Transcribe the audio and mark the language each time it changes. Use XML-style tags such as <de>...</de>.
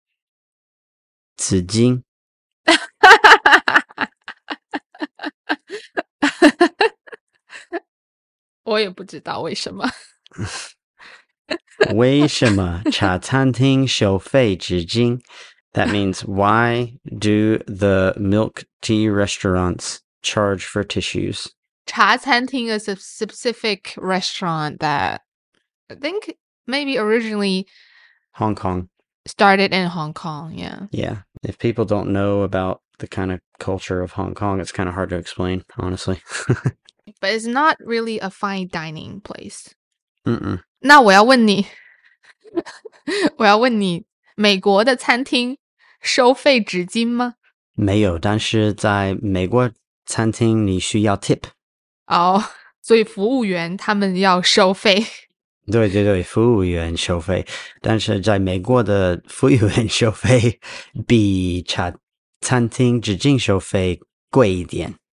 <zh>为什么茶餐厅收费纸巾?</zh> <en>That means, why do the milk tea restaurants charge for tissues? 茶餐厅 is a specific restaurant that I think maybe originally Hong Kong. Started in Hong Kong, yeah. Yeah. If people don't know about the kind of culture of Hong Kong, it's kind of hard to explain, honestly. But it's not really a fine dining place. Mm-mm.</en> <zh>那我要问你, 我要问你, 美国的餐厅收费纸巾吗？没有，但是在美国餐厅你需要 tip。哦，所以服务员他们要收费。对对对，服务员收费，但是在美国的服务员收费比餐厅纸巾收费贵一点。</zh>